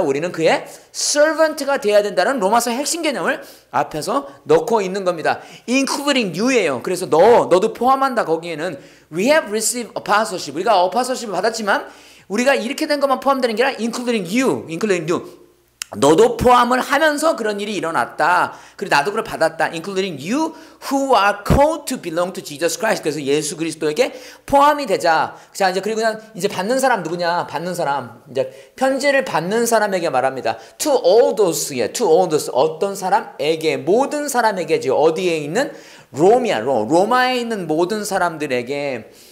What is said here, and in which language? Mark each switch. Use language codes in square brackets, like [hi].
[ko] 우리는 그의 servant가 돼야 된다는 로마서 핵심 개념을 앞에서 넣고 있는 겁니다. [en] Including you예요. [ko] 그래서 너도 포함한다. 거기에는 [en] We have received apostleship. [ko] 우리가 apostleship을 받았지만 우리가 이렇게 된 것만 포함되는 게 아니라 [en] including you. [ko] 너도 포함을 하면서 그런 일이 일어났다. 그리고 나도 그걸 받았다. [en] Including you who are called to belong to Jesus Christ. [ko] 그래서 예수 그리스도에게 포함이 되자. 자, 이제 그리고 이제 받는 사람 누구냐? 받는 사람. 이제 편지를 받는 사람에게 말합니다. [en] To all those. [ko] 어떤 사람에게? 모든 사람에게지. 어디에 있는? 로마에 있는 모든 사람들에게.